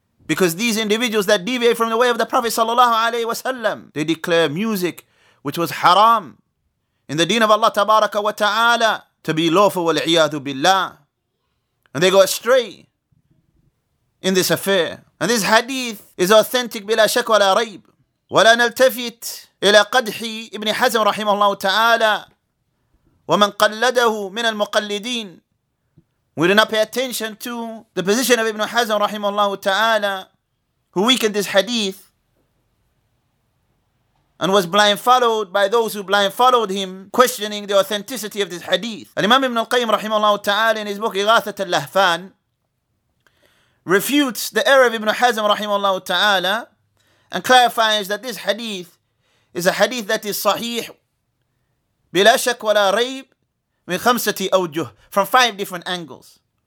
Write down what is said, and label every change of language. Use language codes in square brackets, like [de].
[en] Because these individuals that deviate from the way of the Prophet sallallahu alayhi wasallam, they declare music which was haram in the deen of Allah tabaraka wa ta'ala to be lawful [ar] wal iyadu billah. [en] And they go astray in this affair. And this hadith is authentic [ar] bila shak wa la rayb. ولا نلتفت إلى قدح ابن حزم رحمه الله تعالى ومن قلده من المقلدين. [en] We do not pay attention to the position of Ibn Hazm [ar] رحمه الله تعالى, [en] who weakened this hadith and was blind followed by those who blind followed him, questioning the authenticity of this hadith. Imam Ibn al-Qayyim [ar] رحمه الله تعالى [en] in his book إغاثة اللهفان refutes the error of Ibn Hazm رحمه الله تعالى and clarifies that this hadith is a hadith that is sahih [ar] bila shak wala rayb min khamsati awjuh, [en] from five different angles.